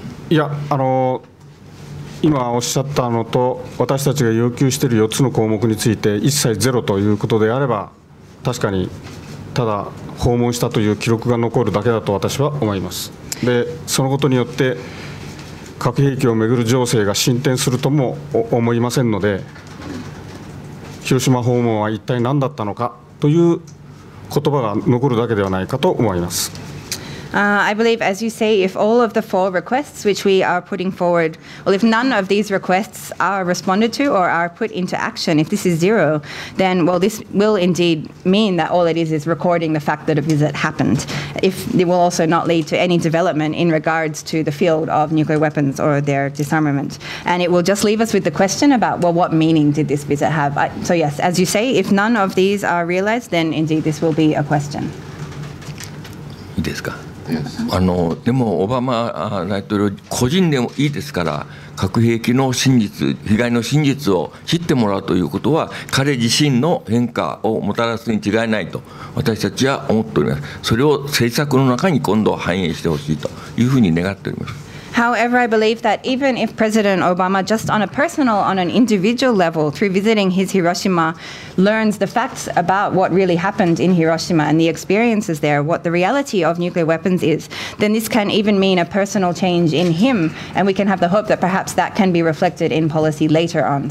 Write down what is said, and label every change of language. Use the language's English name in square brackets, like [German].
[Japanese] いや、今おっしゃったのと私たちが要求している4つの項目について一切ゼロということであれば、確かにただ訪問したという記録が残るだけだと私は思います。で、そのことによって核兵器をめぐる情勢が進展するとも思いませんので、広島訪問は一体何だったのかという言葉が残るだけではないかと思います。 [English] I believe, as you say, if all of the four requests which we are putting forward, well, if none of these requests are responded to or are put into action, if this is zero, then, well, this will indeed mean that all it is recording the fact that a visit happened. If it will also not lead to any development in regards to the field of nuclear weapons or their disarmament. And it will just leave us with the question about, well, what meaning did this visit have? So yes, as you say, if none of these are realized, then indeed this will be a question. [Japanese] いいですか？でもオバマ大統領個人でもいいですから、核兵器の真実、被害の真実を知ってもらうということは彼自身の変化をもたらすに違いないと私たちは思っております。それを政策の中に今度反映してほしいというふうに願っております。 [English] However, I believe that even if President Obama, just on a personal, on an individual level, through visiting his Hiroshima, learns the facts about what really happened in Hiroshima and the experiences there, what the reality of nuclear weapons is, then this can even mean a personal change in him, and we can have the hope that perhaps that can be reflected in policy later on.